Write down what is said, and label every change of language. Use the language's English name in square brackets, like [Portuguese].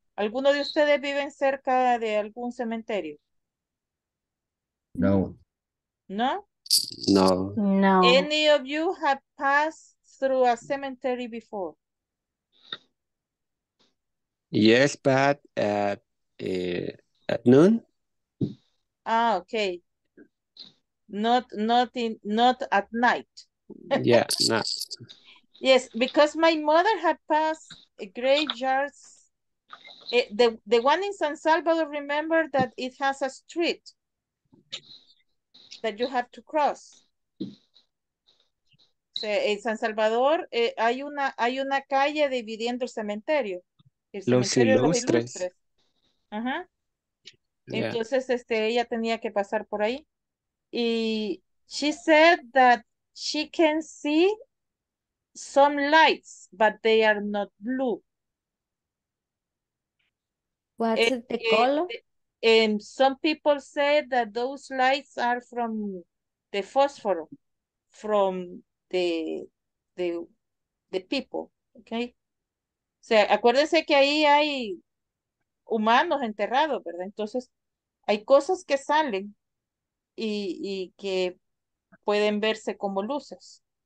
[Spanish] ¿Alguno de ustedes vive cerca de algún cementerio? No. No? No. No. [English] Any of you have passed through a cemetery before? Yes, but at noon. Ah, okay. Not at night. Yeah, not. Yes, because my mother had passed graveyards. The one in San Salvador, remember that it has a street that you have to cross. So, [Spanish] en San Salvador hay una calle dividiendo el cementerio. Los ilustres. [English] Uh-huh. Yeah. [Spanish] Entonces ella tenía que pasar por ahí. Y [English] she said that she can see some lights, but they are not blue. What's the color? And some people say that those lights are from the phosphor, from the people, okay? [Spanish] O sea, acuérdense que ahí hay humanos enterrados, ¿verdad? Entonces, hay cosas que salen y que pueden verse como luces.